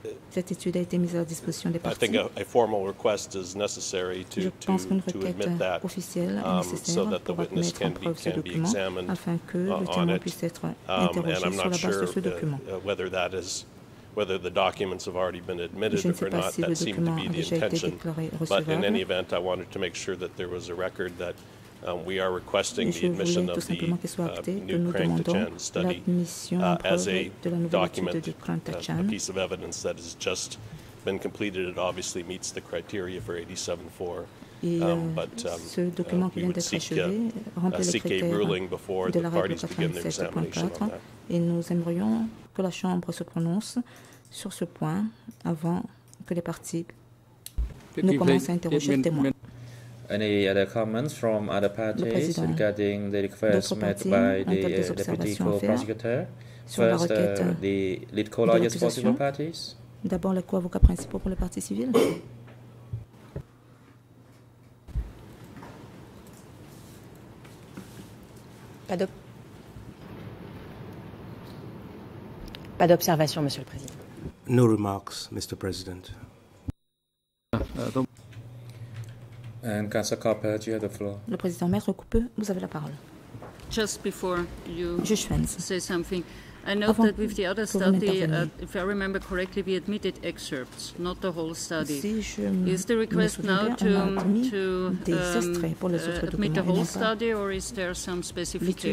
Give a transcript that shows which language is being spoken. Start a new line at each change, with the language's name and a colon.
French: Cette étude a été mise à disposition des parties.
English: I think a formal request is necessary to admit that so that the witness can be examined
French: afin que
English: on it. And I'm not sure whether that is whether the documents have already been admitted or not, si that seemed to be the intention. But in any event, I wanted to make sure that there was a record that We are requesting the admission of the new Krang-Tachan study as a document, a piece of evidence that has just been completed. It obviously meets the criteria for 87.4. But we would seek a ruling before the parties begin their examination on that.
French: Et nous aimerions que la Chambre se prononce sur ce point avant que les parties ne commencent à interroger le témoin.
English: Any other comments from other parties regarding the request made by the Deputy Co-Prosecutor? First, the lead co-lawyers for civil parties.
French: D'abord, les co-avocats principaux pour les parties civiles. Pas d'observation, Monsieur le Président.
English: No remarks, Mr. President. And Councillor Copper, you have the floor.
French: Le Président, Maître Coupeux, vous avez la parole.
English: Just before you say something, I know that with the other study, if I remember correctly, we admitted excerpts, not the whole study. Is the request now to admit the whole study, or is there some specification?